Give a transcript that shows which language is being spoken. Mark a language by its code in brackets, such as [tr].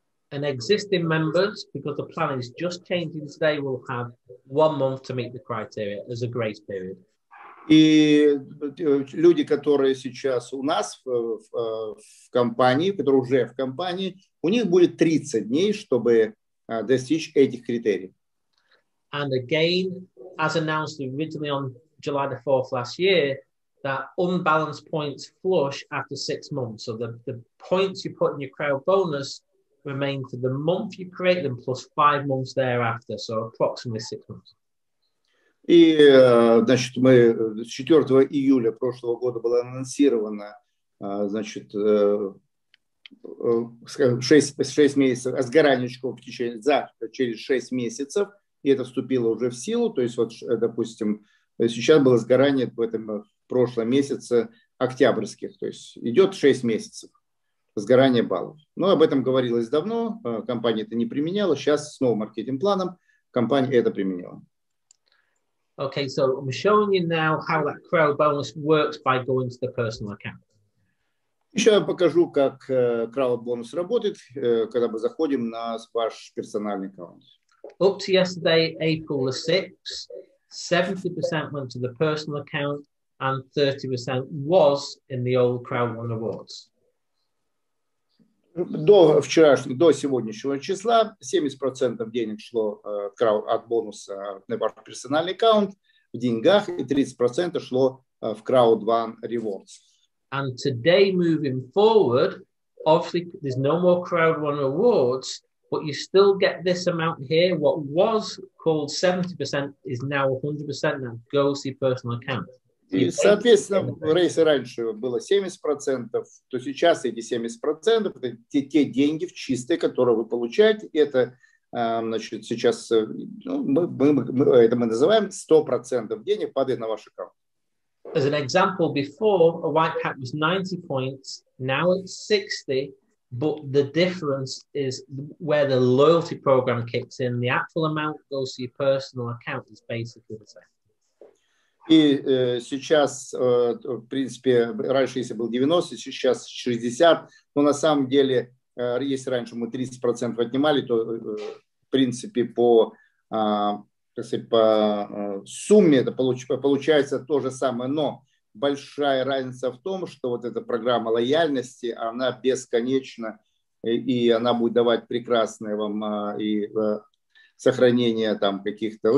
[en] And existing members, because the plan is just changing today, will have 1 month to meet the criteria as a grace period. [ru] И люди, которые сейчас у нас в компании, которые уже в компании, у них будет 30 дней, чтобы достичь этих критерий. [en] And again, as announced originally on July the 4th last year, that unbalanced points flush after 6 months. So the points you put in your crowd bonus remain for the month you create them plus 5 months thereafter, so approximately 6 months. [ru] И, значит, мы 4 июля прошлого года было анонсировано, значит, 6 месяцев, а сгорание очков в течение, за, через 6 месяцев, и это вступило уже в силу, то есть вот, допустим, сейчас было сгорание в этом прошлом месяце октябрьских, то есть идет 6 месяцев сгорания баллов. Но об этом говорилось давно, компания это не применяла, сейчас с новым маркетинг-планом компания это применила. [en] Okay, so I'm showing you now how that Crowd Bonus works by going to the personal account. [ru] Еще я покажу, как Crowd Bonus работает, когда мы заходим на ваш персональный аккаунт. [en] Up to yesterday, April the 6th, 70% went to the personal account and 30% was in the old Crowd One Awards. [ru] До вчерашнего, до сегодняшнего числа 70% денег шло от бонуса на ваш персональный аккаунт в деньгах и 30% шло в Crowd One Rewards. [en] And today moving forward, obviously there's no more Crowd One Rewards, but you still get this amount here. What was called 70% is now 100% and goes to your personal account. [ru] И, соответственно, в рейсе раньше было 70%, то сейчас эти 70% это те деньги в чистые, которые вы получаете. Это, значит, сейчас, ну, мы это мы называем 100% денег падает на ваш аккаунт. [en] As an example, before a white hat was 90 points, now it's 60, but the difference is where the loyalty program kicks in. The actual amount that goes to your personal account is basically the same. [ru] И сейчас, в принципе, раньше, если был 90, сейчас 60, но на самом деле, если раньше мы 30% отнимали, то, в принципе, по сумме это получается то же самое, но большая разница в том, что вот эта программа лояльности, она бесконечна, и она будет давать прекрасное вам и сохранение там каких-то.